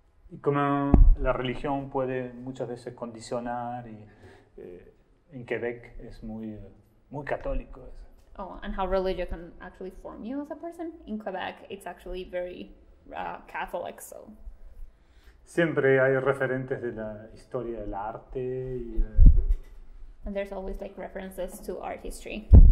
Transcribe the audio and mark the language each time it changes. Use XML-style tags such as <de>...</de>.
<es>Y cómo la religión puede muchas veces condicionar. Y, en Quebec es muy, muy católico eso.</es> <en>Oh, and how religion can actually form you as a person? In Quebec, it's actually very Catholic, so.</en> <es>Siempre hay referentes de la historia del arte. Y,</es> <en>and there's always like references to art history.</en>